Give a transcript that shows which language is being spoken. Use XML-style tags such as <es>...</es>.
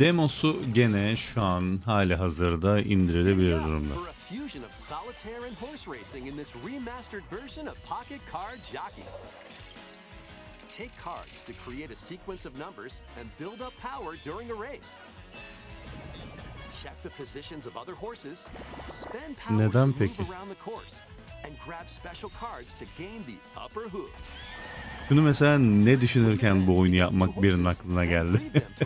<tr>Demosu gene şu an hali hazırda indirilebilir durumda.</tr> <en>For a fusion of solitaire and horse racing in this remastered version of Pocket Car Jockey. take cards to create a sequence of numbers and build up power during a race. Check the positions of other horses, spend power</en> <tr>neden</tr> <en>to</en> <tr>peki?</tr> <en>Move around the course, and grab special cards to gain the upper hoof.</en> <tr>Şunu mesela ne düşünürken bu oyunu yapmak birinin aklına geldi.</tr>